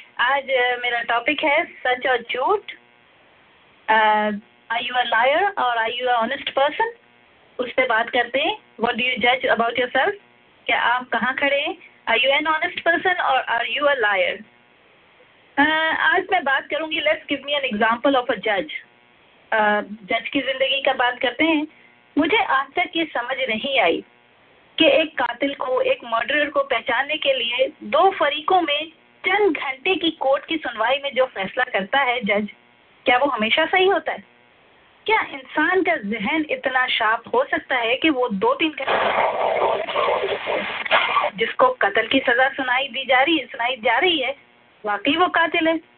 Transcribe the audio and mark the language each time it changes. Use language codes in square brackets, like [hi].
[ur] آج میرا ٹاپک ہے سچ اور جھوٹ, [en] are you a liar [ur] اور [en] are you a honest person, [ur] اس پہ بات کرتے ہیں. [en] what do you جج about your self, [ur] کیا آپ کہاں کھڑے ہیں, [en] are you an honest person or are you a liar? [ur] آج میں بات کروں گی, [en] let's give me an example of a judge. [ur] جج کی زندگی کا بات کرتے ہیں. مجھے آج تک یہ سمجھ نہیں آئی کہ ایک قاتل کو, ایک مرڈرر کو پہچاننے کے لیے دو فریقوں میں چند گھنٹے کی کورٹ کی سنوائی میں جو فیصلہ کرتا ہے جج, کیا وہ ہمیشہ صحیح ہوتا ہے؟ کیا انسان کا ذہن اتنا شارپ ہو سکتا ہے کہ وہ دو تین گھنٹے جس کو قتل کی سزا سنائی دی جا رہی ہے واقعی وہ قاتل ہے؟